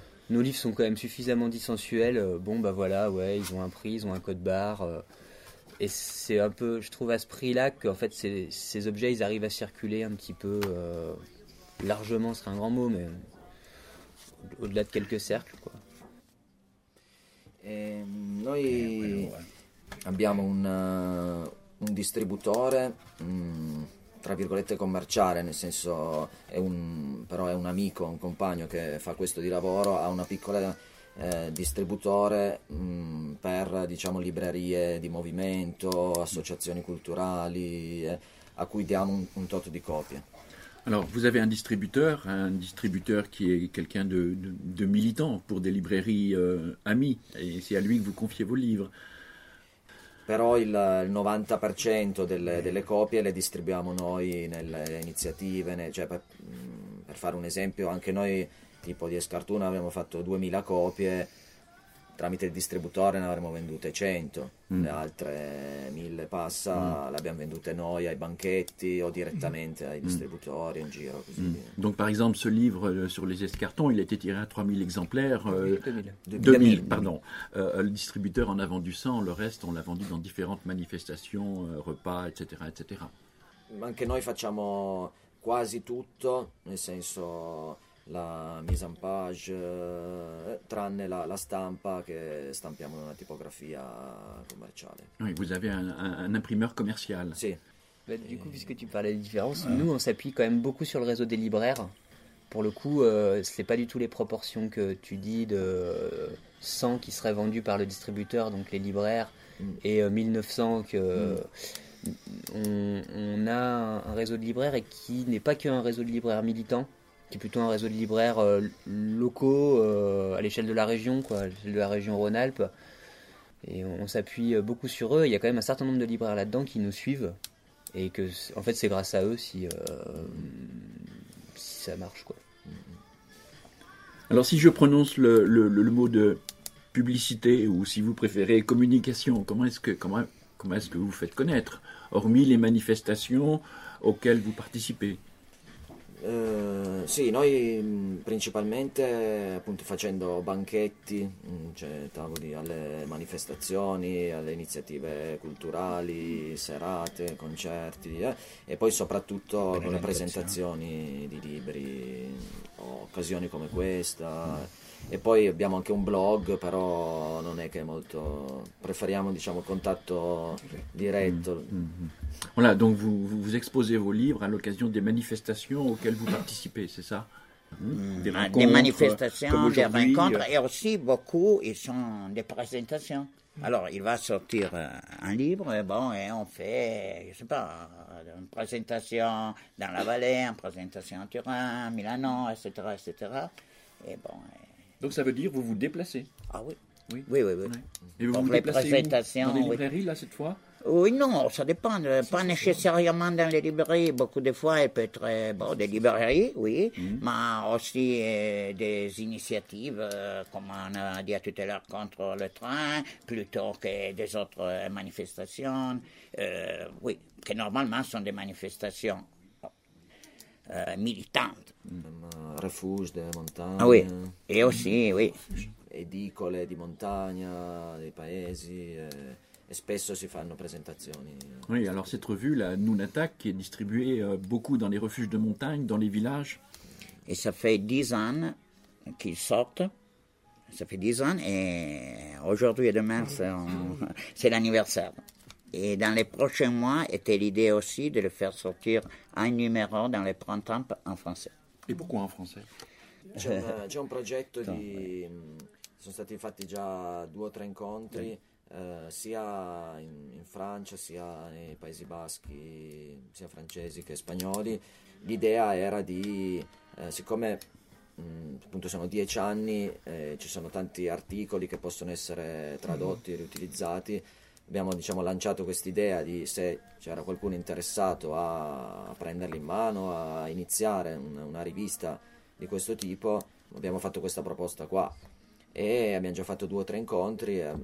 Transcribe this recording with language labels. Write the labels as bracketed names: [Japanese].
[French] Nos livres sont quand même suffisamment dissensuels. Ils ont un prix, ils ont un code barre. Et c'est un peu, je trouve, à ce prix-là qu'en fait ces objets, ils arrivent à circuler un petit peu largement, ce serait un grand mot, mais... au-delà de quelques cercles, quoi. [Italian] Noi abbiamo un distributore, tra virgolette commerciale, nel senso è un amico, un compagno che fa questo di lavoro, ha una piccola distributore per, diciamo, librerie di movimento, associazioni culturali, a cui diamo un tot di copie. [French] Alors, vous avez un distributeur qui est quelqu'un de militant pour des librairies amies, et c'est à lui que vous confiez vos livres. [Italian] Però il 90% delle copie le distribuiamo noi nelle iniziative, per fare un esempio, anche noi, tipo di Escartuna, abbiamo fatto 2000 copie, tramite il distributore ne avremmo vendute 100, le altre 1000 passa le abbiamo vendute noi ai banchetti o direttamente ai distributori in giro. Così. [French] Donc par exemple ce livre sur les escartons, il a été tiré à 3000 exemplaires, 2000 pardon, le distributeur en a vendu 100, le reste on l'a vendu dans différentes manifestations, repas, etc. etc. [Italian] Anche noi facciamo quasi tutto, nel senso [French] la mise en page, [Italian] tranne la stampa che stampiamo in una tipografia commerciale. [French] Oui, vous avez un imprimeur commercial. [Italian] Sì. [French] Beh, du coup, puisque tu parlais des différences, nous on s'appuie quand même beaucoup sur le réseau des libraires. Pour le coup, c'est pas du tout les proportions que tu dis de 100 qui seraient vendus par le distributeur, donc les libraires, et 1900 que... On a un réseau de libraires et qui n'est pas qu'un réseau de libraires militants, qui est plutôt un réseau de libraires locaux à l'échelle de la région, quoi, à l'échelle de la région Rhône-Alpes. Et on s'appuie beaucoup sur eux. Il y a quand même un certain nombre de libraires là-dedans qui nous suivent. Et que, en fait, c'est grâce à eux si ça marche, quoi. Alors, si je prononce le mot de publicité, ou si vous préférez communication, comment est-ce que vous faites connaître, hormis les manifestations auxquelles vous participez? [Italian] Sì, noi principalmente appunto facendo banchetti, cioè tavoli alle manifestazioni, alle iniziative culturali, serate, concerti, e poi soprattutto con le presentazioni di libri o occasioni come questa. E poi abbiamo anche un blog, però non è che molto, preferiamo diciamo contatto diretto. [French] Voilà, donc vous exposez vos livres à l'occasion des manifestations auxquelles vous participez, c'est ça? Des manifestations, des rencontres, et aussi beaucoup, ils sont des présentations. Alors, il va sortir un livre, et bon, et on fait, je sais pas, une présentation dans la Vallée, une présentation en Turin, Milano, etc., etc. Et bon. Donc ça veut dire vous vous déplacez? Ah oui. Oui. Et vous vous déplacez où? Dans les librairies, là, cette fois? Oui, non, ça dépend. C'est pas ça, nécessairement ça. Dans les librairies. Beaucoup de fois, il peut être bon, des librairies, oui, mais aussi des initiatives, comme on a dit tout à l'heure, contre le train, plutôt que des autres manifestations. Oui, que normalement, sont des manifestations militantes. Refuge de montagne. Ah oui, et aussi, oui. [Italian] Edicole di montagna, dei paesi, e spesso si fanno presentazioni. [French] Oui, alors cette revue, la Nunata, qui est distribuée beaucoup dans les refuges de montagne, dans les villages. Et ça fait 10 ans qu'ils sortent. Ça fait 10 ans et aujourd'hui et demain, c'est l'anniversaire. Et dans les prochains mois, était l'idée aussi de le faire sortir un numéro dans le printemps en français. Et pourquoi en français? [Italian] C'è un progetto di... sono stati fatti già 2 o 3 incontri, sia in Francia, sia nei Paesi Baschi, sia francesi che spagnoli. L'idea era di... siccome appunto sono 10 anni, ci sono tanti articoli che possono essere tradotti e riutilizzati, abbiamo diciamo lanciato quest'idea di se c'era qualcuno interessato a prenderli in mano, a iniziare una rivista di questo tipo, abbiamo fatto questa proposta qua e abbiamo già fatto 2 o 3 incontri,